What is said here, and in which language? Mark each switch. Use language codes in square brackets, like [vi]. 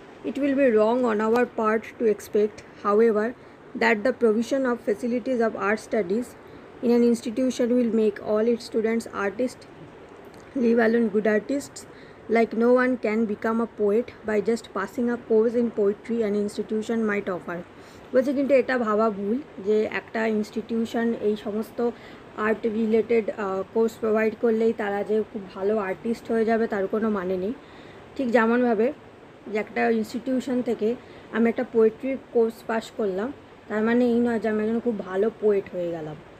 [en] It will be wrong on our part to expect however that the provision of facilities of art studies in an institution will make all its students artists Leave alone good artists. Like, no one can become a poet by just passing a course in poetry an institution might offer. [bn] বলছে কিন্তু এটা ভাবা ভুল যে একটা institution এই সমস্ত art related course provide করলেই তারা যে খুব ভালো আর্টিস্ট হয়ে যাবে তার কোনো মানে নেই। ঠিক যেমনভাবে যে একটা ইনস্টিটিউশন থেকে আমি একটা পোয়েট্রি কোর্স পাস করলাম তার মানে এই নয় যে আমি একজন খুব ভালো পোয়েট হয়ে গেলাম।